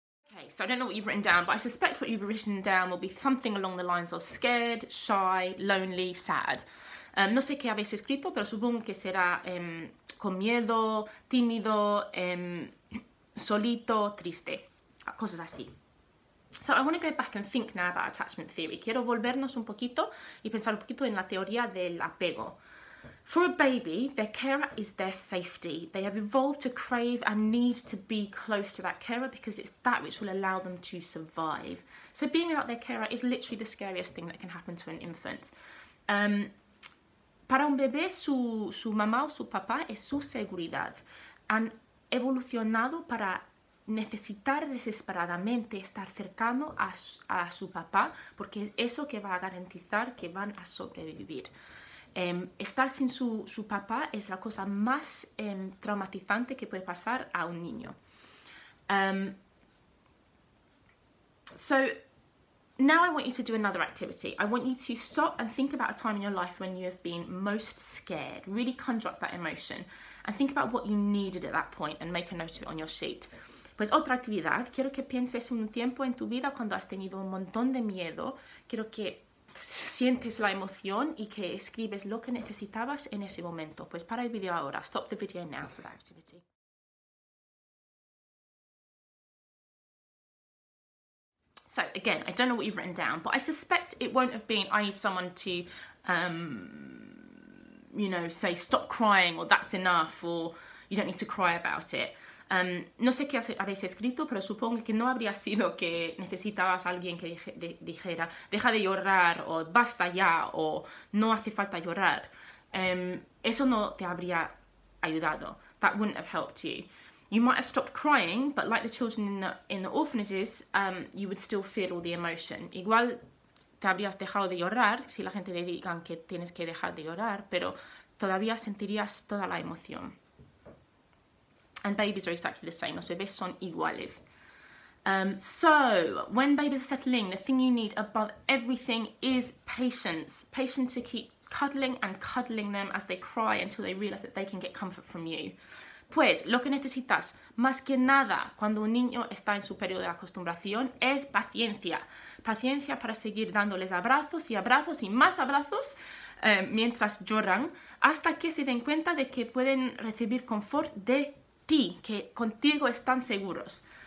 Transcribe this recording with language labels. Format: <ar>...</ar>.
<en>Okay, so I don't know what you've written down, but I suspect what you've written down will be something along the lines of scared, shy, lonely, sad.</en> <es>No sé qué habéis escrito, pero supongo que será con miedo, tímido, solito, triste, cosas así.</es> <en>So I want to go back and think now about attachment theory.</en> <es>Quiero volvernos un poquito y pensar un poquito en la teoría del apego.</es> <en>For a baby, their carer is their safety. They have evolved to crave and need to be close to that carer because it's that which will allow them to survive. So being without their carer is literally the scariest thing that can happen to an infant.</en> <es>Para un bebé, su mamá o su papá es su seguridad. Han evolucionado para necesitar desesperadamente estar cercano a su papá porque es eso que va a garantizar que van a sobrevivir. Estar sin su papá es la cosa más traumatizante que puede pasar a un niño.</es> <en>So now I want you to do another activity. I want you to stop and think about a time in your life when you have been most scared. Really conjure up that emotion and think about what you needed at that point and make a note of it on your sheet.</en> <es>Pues otra actividad. Quiero que pienses un tiempo en tu vida cuando has tenido un montón de miedo. Quiero que sientes la emoción y que escribes lo que necesitabas en ese momento. Pues para el video ahora.</es> <en>Stop the video now for that activity. So again, I don't know what you've written down, but I suspect it won't have been, I need someone to, you know, say, stop crying, or that's enough, or you don't need to cry about it.</en> <es>No sé qué habéis escrito, pero supongo que no habría sido que necesitabas alguien que dijera, deja de llorar, o basta ya, o no hace falta llorar. Eso no te habría ayudado.</es> <en>That wouldn't have helped you. You might have stopped crying, but like the children in the orphanages, you would still feel all the emotion.</en> <es>Igual te habrías dejado de llorar, si la gente le digan que tienes que dejar de llorar, pero todavía sentirías toda la emoción.</es> <en>And babies are exactly the same.</en> <es>Los bebés son iguales.</es> <en>So, when babies are settling, the thing you need above everything is patience. Patience to keep cuddling and cuddling them as they cry until they realise that they can get comfort from you.</en> <es>Pues, lo que necesitas, más que nada, cuando un niño está en su periodo de acostumbración, es paciencia. Paciencia para seguir dándoles abrazos y abrazos y más abrazos mientras lloran, hasta que se den cuenta de que pueden recibir confort de ti, que contigo están seguros.</es>